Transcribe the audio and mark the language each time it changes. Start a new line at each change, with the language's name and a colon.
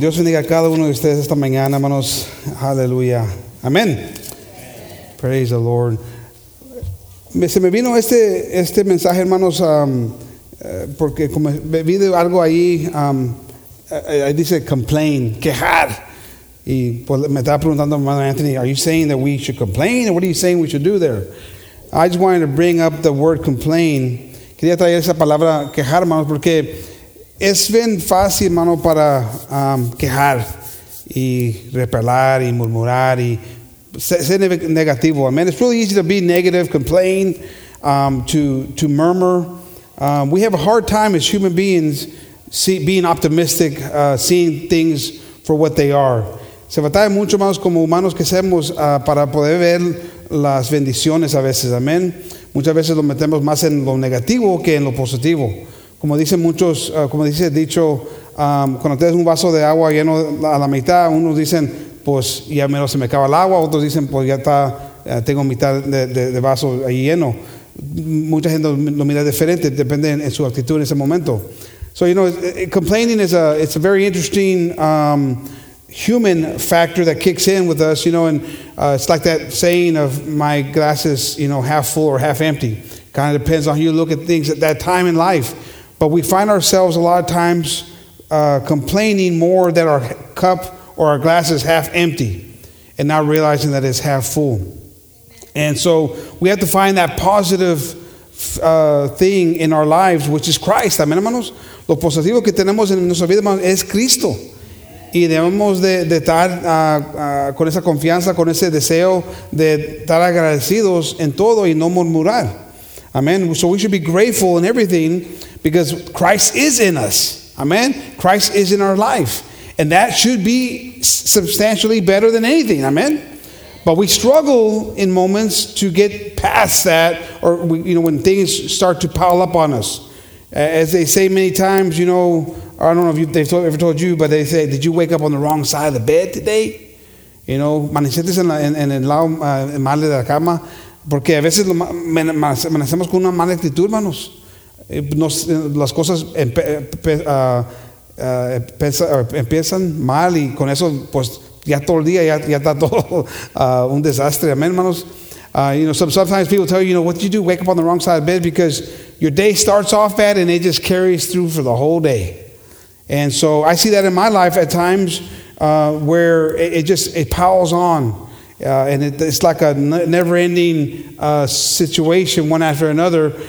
Spanish: Dios bendiga a cada uno de ustedes esta mañana, hermanos. Hallelujah. Amen.
English: Praise the Lord.
Spanish: Se me vino este mensaje, hermanos, porque como vi algo ahí, I dice complain, quejar. Y me estaba preguntando, hermano Anthony,
English: are you saying that we should complain? Or what are you saying we should do there? I just wanted to bring up the word complain.
Spanish: Quería traer esa palabra, quejar, hermanos, porque es bien fácil, hermano, para quejar y repelar y murmurar y ser negativo.
English: Amen. It's really easy to be negative, complain, to murmur. We have a hard time as human beings being optimistic, seeing things for what they are.
Spanish: Se batalla mucho más como humanos que seamos para poder ver las bendiciones a veces. Amén. Muchas veces lo metemos más en lo negativo que en lo positivo. Como dicen muchos, como dice dicho, cuando tienes un vaso de agua lleno a la mitad, unos dicen, pues ya menos se me acaba el agua. Otros dicen, pues ya está, tengo mitad de vaso ahí lleno. Mucha gente lo mira diferente, depende en su actitud en ese momento.
English: So, you know, complaining is it's a very interesting human factor that kicks in with us, you know, and it's like that saying of my glasses, you know, half full or half empty. Kind of depends on how you look at things at that time in life. But we find ourselves a lot of times complaining more that our cup or our glass is half empty and not realizing that it's half full. And so we have to find that positive thing in our lives, which is Christ.
Spanish: Amén, hermanos. Lo positivo que tenemos en nuestra vida, hermanos, es Cristo. Y debemos de estar con esa confianza, con ese deseo de estar agradecidos en todo y no murmurar.
English: Amen. So we should be grateful in everything because Christ is in us. Amen. Christ is in our life. And that should be substantially better than anything. Amen. But we struggle in moments to get past that, or we, you know, when things start to pile up on us. As they say many times, you know, I don't know if they've ever told you, but they say, did you wake up on the wrong side of the bed today? You know,
Spanish: manecientes en el lado mal de la cama. Porque a veces manecemos con una mala actitud, hermanos. Las cosas empiezan mal y con eso, pues, ya todo el día ya está todo un desastre. Amén, hermanos.
English: You know, sometimes people tell you, you know, what did you do? Wake up on the wrong side of bed because your day starts off bad and it just carries through for the whole day. And so I see that in my life at times where it piles on. And it's like a never-ending situation one after another.